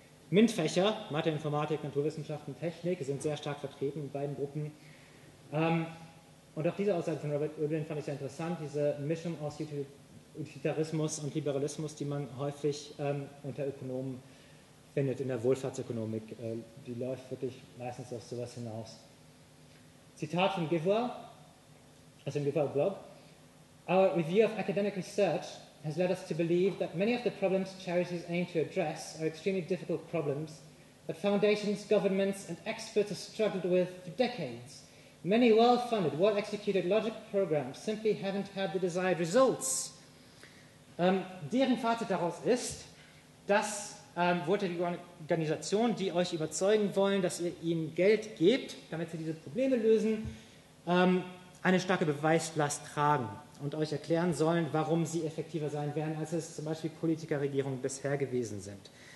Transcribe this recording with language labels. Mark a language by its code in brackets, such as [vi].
[de] MINT-Fächer, Mathe, Informatik, Naturwissenschaften, Technik, sind sehr stark vertreten in beiden Gruppen. Und auch diese Aussage von Robert Oeblin fand ich sehr interessant, diese Mischung aus Utilitarismus und Liberalismus, die man häufig unter Ökonomen findet, in der Wohlfahrtsökonomik, die läuft wirklich meistens auf sowas hinaus. Zitat von GiveWell, also im GiveWell-Blog: [en] "Our review of academic research has led us to believe that many of the problems charities aim to address are extremely difficult problems that foundations, governments and experts have struggled with for decades. Many well-funded, well-executed logic programs simply haven't had the desired results." [de] Deren Fazit daraus ist, dass wohltätige Organisationen, die euch überzeugen wollen, dass ihr ihnen Geld gebt, damit sie diese Probleme lösen, eine starke Beweislast tragen und euch erklären sollen, warum sie effektiver sein werden, als es zum Beispiel Politikerregierungen bisher gewesen sind.